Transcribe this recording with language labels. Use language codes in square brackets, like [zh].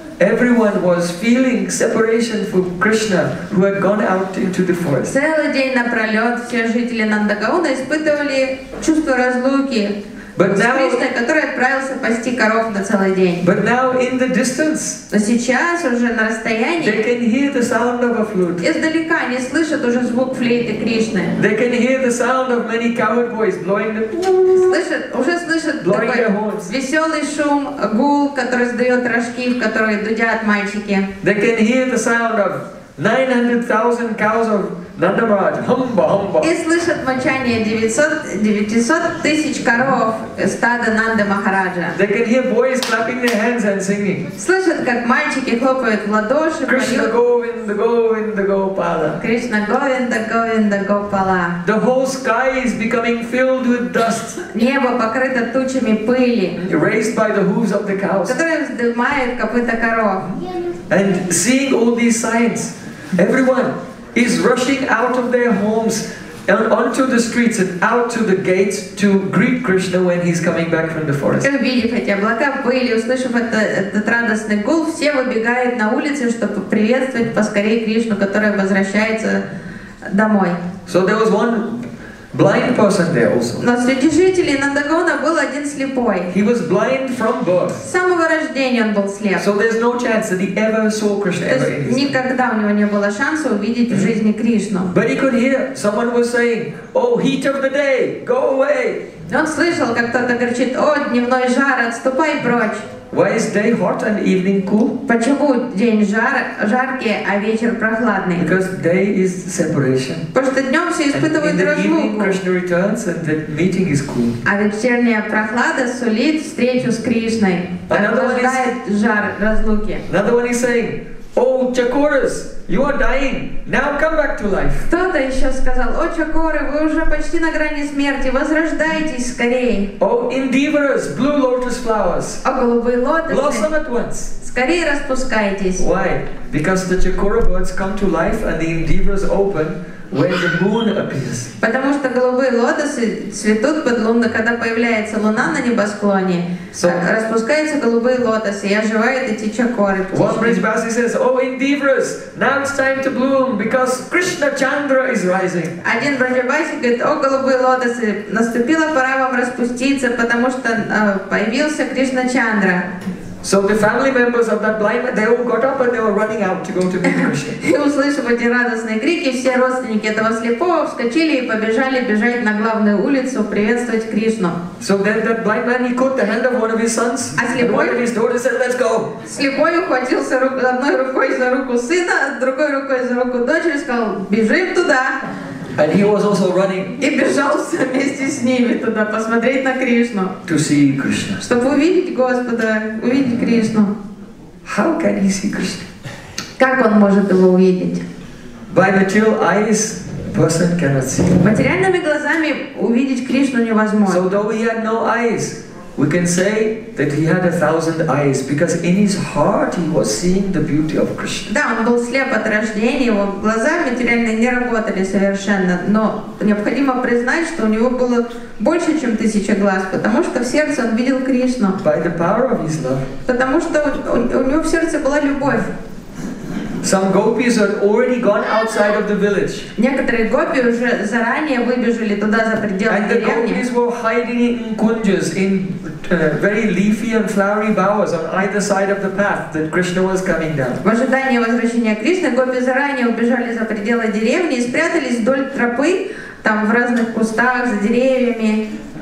[en] Everyone was feeling separation from Krishna, who had gone out into the forest. [ru] Целый день напролет все жители Нандагауна испытывали чувство разлуки с Кришной, который отправился пасти коров на целый день. [en] But now, in the distance, [ru] но сейчас уже на расстоянии, [en] they can hear the sound of a flute. [ru] Издалека они слышат уже звук флейты Кришны. [en] They can hear the sound of many cowboys blowing the. [ru] Слышат такой веселый шум, гул, который сдает рожки, в который дудят мальчики. [en] They can hear the sound of 900,000 cows of Nandamaj, humba, humba. [ru] И слышат мочание 900 тысяч коров стада Нанды Махараджа. [en] They can hear boys clapping their hands and singing. [ru] Слышат, как мальчики хлопают в ладоши. [en] Krishna Govinda, Govinda, Gopala. [ru] Krishna Govinda, Govinda, Gopala. [en] The whole sky is becoming filled with dust. [ru] Небо покрыто тучами пыли. [en] Raised by the hooves of the cows. [ru] Которые вздымают копыта коров. [en] And seeing all these signs, everyone is rushing out of their homes and onto the streets and out to the gates to greet Krishna when he's coming back from the forest. [ru] Увидев эти облака пыли, услышав этот радостный гул, все выбегают на улицы, чтобы приветствовать поскорее Кришну, который возвращается домой. [en] So there was one blind person there also. [ru] Но среди жителей Нандагауна был один слепой. [en] He was blind from birth. [ru] С самого рождения он был слеп. [en] So there's no chance that he ever saw Krishna. [ru] То есть никогда у него не было шанса увидеть в жизни Кришну. [en] But he could hear someone was saying, "Oh, heat of the day, go away." [ru] Он слышал, как кто-то кричит: "О, дневной жар, отступай прочь." [en] Why is day hot and evening cool? [ru] Почему день жаркий, а вечер прохладный? [en] Because day is separation. [ru] Потому что днем все испытывают разлуку. [en] And in the evening Krishna returns, and the meeting is cool. [ru] А вечерняя прохлада сулит встречу с Кришной. Охлаждает жар разлуки. [en] Another one is saying, "Oh, Chakoras, you are dying. Now come back to life." [ru] Кто-то еще сказал: "О, Чакоры, вы уже почти на грани смерти. Возрождайтесь скорее." [en] "Oh, Indivaras, blue lotus flowers." [ru] О, голубые лотосы. [en] "Blossom at once." [ru] Скорее распускайтесь. [en] Why? Because the Chakora birds come to life and the Indivaras open when the moon appears. [ru] Потому что голубые лотосы цветут под луной, когда появляется луна на небосклоне. So, распускаются голубые лотосы, и оживают эти чакоры. [en] One bridge basi says, "Oh, Indivaras, now it's time to bloom because Krishna Chandra is rising." [ru] Один bridge basi говорит: "О, голубые лотосы, наступила пора вам распуститься, потому что появился Кришна Чандра." [en] So the family members of that blind man, they all got up and they were running out to go to meet Krishna. [ru] И услышав эти радостные крики, все родственники этого слепого вскочили и побежали бежать на главную улицу приветствовать Кришну. [en] So then that blind man, he caught the hand of one of his sons, and one of his daughters said, "Let's go." [ru] Слепой ухватился одной рукой за руку сына, другой рукой за руку дочери, сказал: "Бежим туда." [en] And he was also running. [ru] И бежал вместе с ними туда посмотреть на Кришну. [en] To see Krishna. [ru] Чтобы увидеть Господа, увидеть Кришну. [en] How can he see Krishna? [ru] Как он может его увидеть? [en] By material eyes, person cannot see. [ru] Материальными глазами увидеть Кришну невозможно. [en] So though he had no eyes, we can say that he had 1,000 eyes because in his heart he was seeing the beauty of Krishna. [ru] Да, он был слеп от рождения, его глаза материально не работали совершенно, но необходимо признать, что у него было больше, чем 1,000 глаз, потому что в сердце он видел Кришну. [en] By the power of his love. [ru] Потому что у него в сердце была любовь. [en] Some gopis had already gone outside of the village. [ru] Некоторые гопи уже заранее выбежали туда за пределы деревни. [en] And the gopis were hiding in kunjas, in very leafy and flowery bowers on either side of the path that Krishna was coming down. [ru] В ожидании возвращения Кришны гопи заранее убежали за пределы деревни и спрятались вдоль тропы, там в разных кустах за деревьями.